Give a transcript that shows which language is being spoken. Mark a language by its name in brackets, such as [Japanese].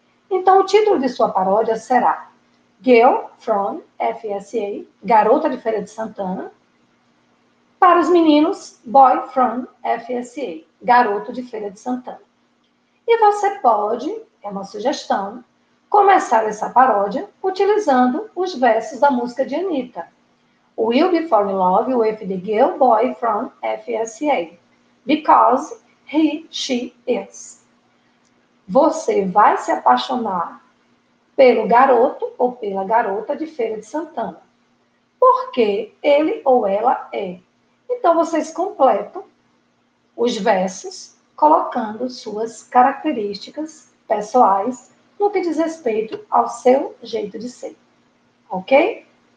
[Portuguese] Então, o título de sua paródia será Girl from FSA, Garota de Feira de Santana. Para os meninos, Boy from FSA, Garoto de Feira de Santana. E você pode, é uma sugestão, começar essa paródia utilizando os versos da música de Anitta. [English] We'll be falling in love with the girl boy from FSA, because he, she, is. [Portuguese] Você vai se apaixonar pelo garoto ou pela garota de Feira de Santana, porque ele ou ela é. Então, vocês completam os versos colocando suas características pessoais no que diz respeito ao seu jeito de ser, ok?